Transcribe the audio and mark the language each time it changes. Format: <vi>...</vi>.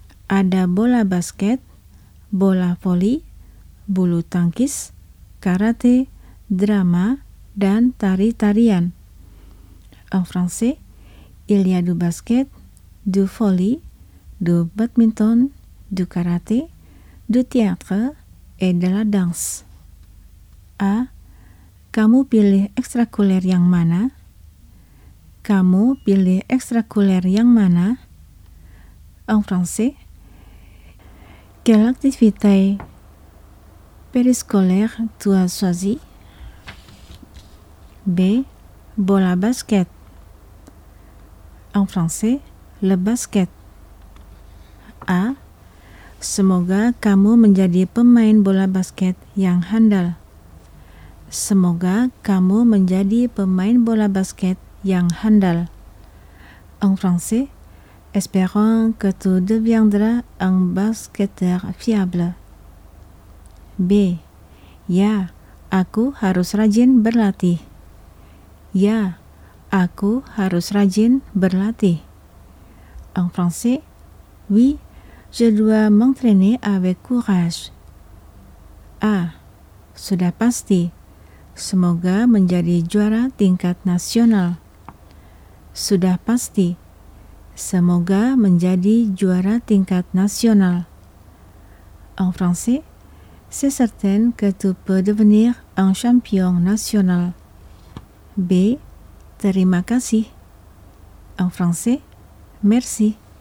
<id>Ada bola basket, bola voli, bulu tangkis, karate, drama, dan tari-tarian.</id> <fr>En français, il y a du basket, du volley, du badminton, du karaté, du théâtre et de la danse. A.</fr> <id>Kamu pilih ekstrakuler yang mana? Kamu pilih ekstrakuler yang mana?</id> <fr>En français, quelle activité périscolaire tu as choisi? B.</fr> <id>Bola basket.</id> <fr>En français, le basket. A.</fr> <id>Semoga kamu menjadi pemain bola basket yang handal. Semoga kamu menjadi pemain bola basket yang handal.</id> <fr>En français, espérant que tu deviendras un basketteur fiable. B.</fr> <id>Ya, aku harus rajin berlatih. Ya, aku harus rajin berlatih.</id> <fr>En français, oui, je dois m'entraîner avec courage.</fr> <id>A. Sudah pasti. Semoga menjadi juara tingkat nasional. Sudah pasti. Semoga menjadi juara tingkat nasional.</id> <fr>En français, c'est certain que tu peux devenir un champion national. B.</fr> <id>Terima kasih.</id> <fr>En français, merci.</fr>